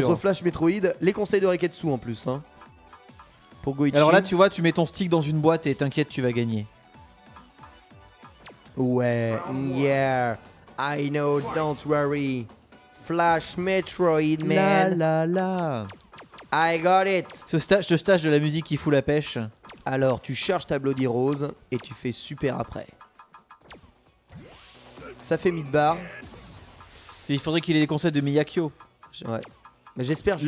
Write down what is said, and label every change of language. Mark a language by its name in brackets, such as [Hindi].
[French] Contre Flash Metroid, les conseils de Reketsu en plus. Hein. Pour Goichi. Alors là, tu vois, tu mets ton stick dans une boîte et t'inquiète, tu vas gagner. Ouais, [English] yeah, I know, don't worry. Flash Metroid, man. La la la. I got it. [French] Ce stage de la musique qui fout la pêche. Alors, tu cherches ta Bloody Rose et tu fais super après. Ça fait mid-bar. Il faudrait qu'il ait des conseils de Miyakyo. Ouais. Mais j'espère juste...